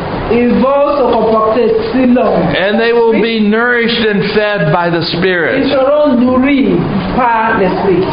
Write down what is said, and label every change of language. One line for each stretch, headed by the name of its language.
French: Ils vont se comporter selon.
English: And they will be nourished and fed by the Spirit.
French: Ils seront nourris par l'Esprit.